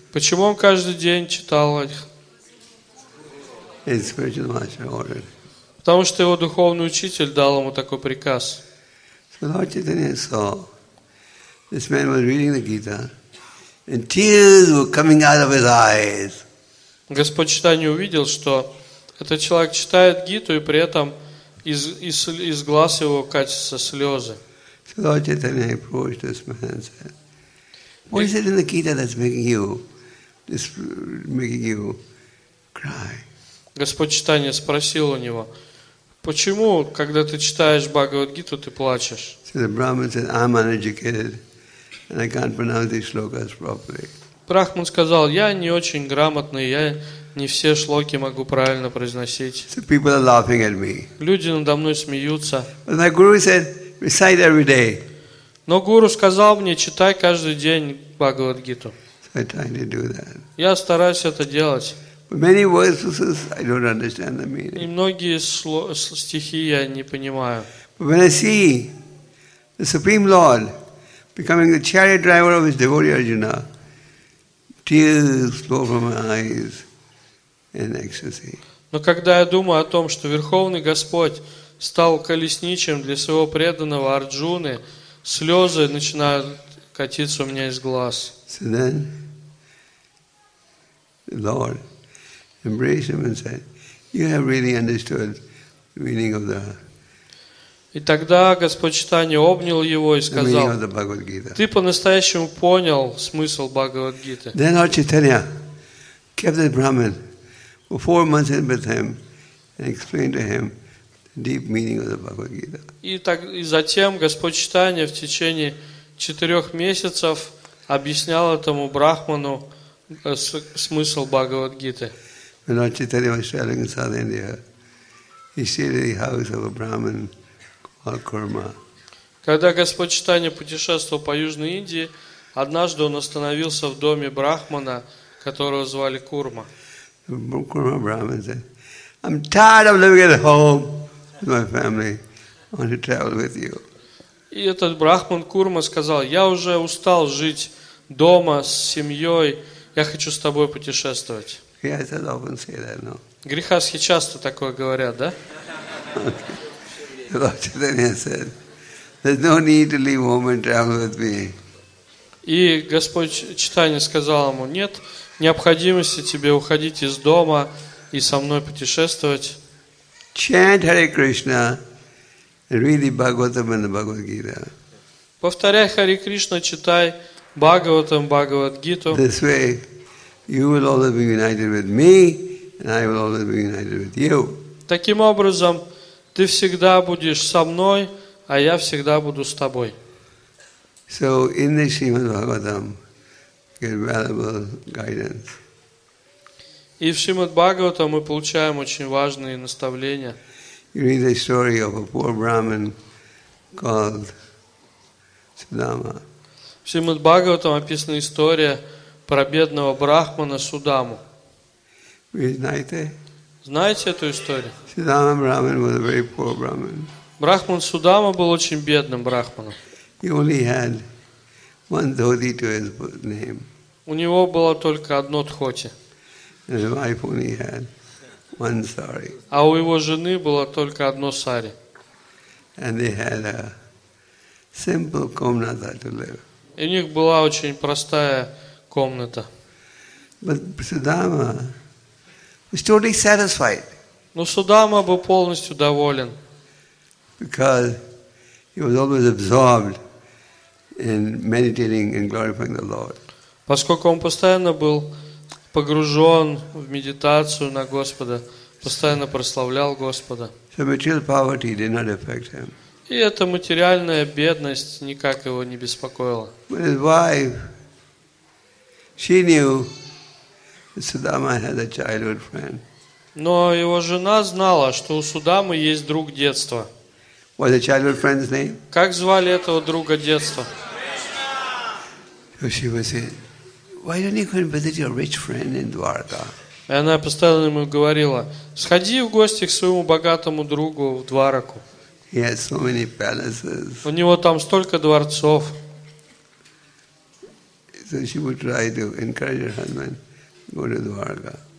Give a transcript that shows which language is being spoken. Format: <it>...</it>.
<ru>Почему он каждый день читал их?</ru> <en>His spiritual master ordered.</en> <ru>Потому что его духовный учитель дал ему такой приказ.</ru> <en>So Lord Chaitanya saw this man was reading the Gita and tears were coming out of his eyes.</en> <ru>Господь Чайтанья увидел, что этот человек читает Гиту, и при этом из глаз его катятся слезы.</ru> <en>So Lord Chaitanya approached this man and said, what is it in the Gita that's making you cry?</en> <ru>Господь Чайтанья спросил у него, почему, когда ты читаешь Бхагавад-гиту, ты плачешь?</ru> <en>So the Brahman said, I'm uneducated and I can't pronounce these shlokas properly.</en> <ru>Брахман сказал, я не очень грамотный, я не все шлоки могу правильно произносить.</ru> <en>So people are laughing at me.</en> <ru>Люди надо мной смеются.</ru> <en>But my guru said, recite every day.</en> <ru>Но гуру сказал мне, читай каждый день Бхагавад-гиту.</ru> <en>So I try to do that.</en> <ru>Я стараюсь это делать.</ru> <en>Many verses I don't understand the meaning.</en> <ru>И многие стихи я не понимаю.</ru> <en>But when I see the Supreme Lord becoming the chariot driver of his devotee Arjuna, tears flow from my eyes in ecstasy.</en> <ru>Но когда я думаю о том, что Верховный Господь стал колесничим для своего преданного Арджуны, слезы начинают катиться у меня из глаз.</ru> <en>So then, Lord embrace him and said, you have really understood the meaning of the</en> <ru>И тогда Господь Чайтанья обнял его и сказал, ты по-настоящему понял смысл Бхагавад-гиты.</ru> <en>Then Lord Chaitanya kept the Brahmin for 4 months in with him and explained to him the deep meaning of the Bhagavad-gita.</en> <ru>И затем Господь Чайтанья в течение 4 месяцев объяснял этому брахману смысл Бхагавад-гиты.</ru> <en>When Lord Chaitanya was traveling in South India, he stayed at the house of a Brahmin called Kurma.</en> <ru>Когда Господь Чайтанья путешествовал по Южной Индии, однажды он остановился в доме брахмана, которого звали Курма.</ru> <en>The Kurma Brahmin said, "I'm tired of living at home with my family. I want to travel with you."</en> <ru>И этот брахман Курма сказал: "Я уже устал жить дома с семьей. Я хочу с тобой путешествовать."</ru> <en>Yes, I often say that, no.</en> <ru>Грихасхи часто такое говорят, да?</ru> <en>Okay. Lord Chaitanya said, there's no need to leave home and travel with me.</en> <ru>И Господь Чайтанья сказал ему, нет необходимости тебе уходить из дома и со мной путешествовать.</ru> <en>Chant Hare Krishna and read the Bhagavatam and the Bhagavad Gita.</en> <ru>Повторяй Хари Кришна, читай Бхагаватам, Бхагавад Гиту.</ru> <en>This way you will always be united with me, and I will always be united with you.</en> <ru>Таким образом, ты всегда будешь со мной, а я всегда буду с тобой.</ru> <en>So in the Srimad Bhagavatam, get valuable guidance.</en> <ru>И в Шримад Бхагаватам мы получаем очень важные наставления.</ru> <en>You read the story of a poor Brahmin called Sudama.</en> <ru>В Шримад Бхагаватам описана история про бедного брахмана Судаму. Вы знаете? Знаете эту историю?</ru> <en>Sudama Brahmin was a very poor Brahmin.</en> <ru>Брахман Судама был очень бедным брахманом.</ru> <en>He only had one dhoti to his name.</en> <ru>У него было только одно дхоти.</ru> <en>His wife only had one sari.</en> <ru>А у его жены было только одно сари.</ru> <en>And they had a simple комната to live.</en> <ru>И у них была очень простая комната.</ru> <en>But Sudama was totally satisfied.</en> <ru>Но Судама был полностью доволен.</ru> <en>Because he was always absorbed in meditating and glorifying the Lord.</en> <ru>Поскольку он постоянно был погружен в медитацию на Господа, постоянно прославлял Господа.</ru> <en>So material poverty did not affect him.</en> <ru>И эта материальная бедность никак его не беспокоила.</ru> <en>But his wife, she knew that Sudama had a childhood friend.</en> <ru>Но его жена знала, что у Судамы есть друг детства.</ru> <en>What's the childhood friend's name?</en> <ru>Как звали этого друга детства?</ru> <en>So she was saying, why don't you go and visit your rich friend in Dwarka?</en> <ru>И она постоянно ему говорила, сходи в гости к своему богатому другу в Двараку.</ru> <en>He has so many palaces.</en> <ru>У него там столько дворцов.</ru> <en>So she would try to encourage her husband to go to Dwarka.</en>